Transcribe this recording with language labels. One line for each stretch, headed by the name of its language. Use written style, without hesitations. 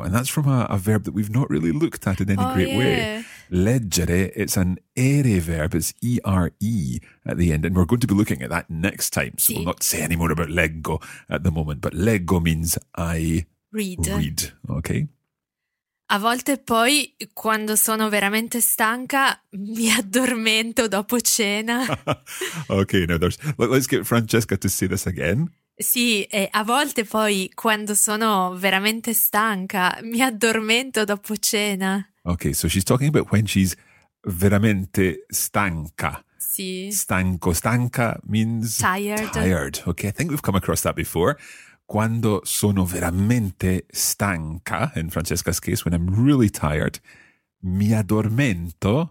English: And that's from a verb that we've not really looked at in any way. Leggere, it's an ere verb, it's E-R-E at the end. And we're going to be looking at that next time. So we'll not say any more about leggo at the moment. But leggo means I read. Okay.
Italian: A volte poi, quando sono veramente stanca, mi addormento dopo cena.
English: Okay, now let's get Francesca to say this again.
Italian: Sì, e a volte poi, quando sono veramente stanca, mi addormento dopo cena.
English: Okay, so she's talking about when she's
Italian: veramente stanca. Sì.
English: Stanco. Stanca means tired. Okay, I think we've come across that before.
Italian: Quando sono veramente stanca,
English: in Francesca's case, when I'm really tired,
Italian: mi addormento